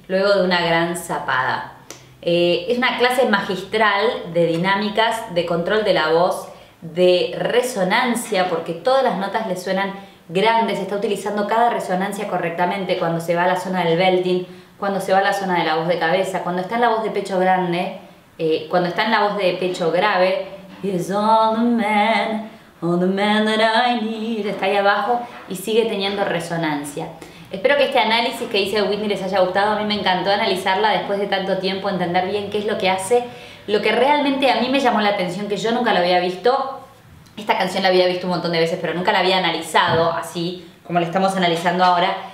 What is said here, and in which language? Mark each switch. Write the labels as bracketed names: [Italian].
[Spanish] Luego de una gran zapada. Es una clase magistral de dinámicas, de control de la voz, de resonancia, porque todas las notas le suenan grandes. Está utilizando cada resonancia correctamente cuando se va a la zona del belting, cuando se va a la zona de la voz de cabeza, cuando está en la voz de pecho grande, cuando está en la voz de pecho grave. [English] He's on the man that I need. [Spanish] Está ahí abajo y sigue teniendo resonancia. Espero que este análisis que hice de Whitney les haya gustado. A mí me encantó analizarla después de tanto tiempo, entender bien qué es lo que hace. Lo que realmente a mí me llamó la atención, que yo nunca lo había visto, esta canción la había visto un montón de veces, pero nunca la había analizado así como la estamos analizando ahora.